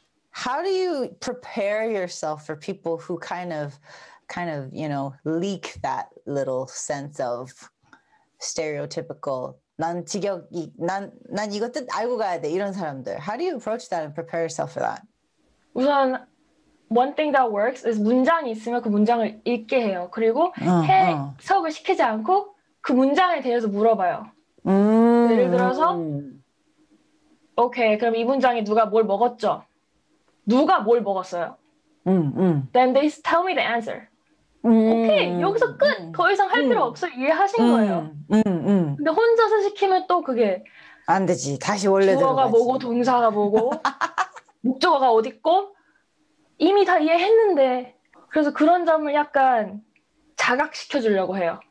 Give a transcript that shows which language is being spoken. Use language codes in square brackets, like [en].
[en] How do you prepare yourself for people who kind of, you know, leak that little sense of stereotypical [ko] 난 직역이 난 이것도 알고 가야 돼. 이런 사람들. [en] How do you approach that and prepare yourself for that? [ko] 우선 [en] one thing that works is [ko] 문장이 있으면 그 문장을 읽게 해요. 그리고 해석을 시키지 않고 그 문장에 대해서 물어봐요. 예를 들어서, okay, 그럼 이 문장에 누가 뭘 먹었죠? 누가 뭘 먹었어요? [en] Then they tell me the answer. [ko] Okay, 여기서 끝. 더 이상 할 필요 없어요. 이해하신 거예요. 근데 혼자서 시키면 또 그게 안 되지. 다시 원래대로 주어가 뭐고 가지. 동사가 뭐고 목적어가 어딨고, 이미 다 이해했는데, 그래서 그런 점을 약간 자각시켜 주려고 해요.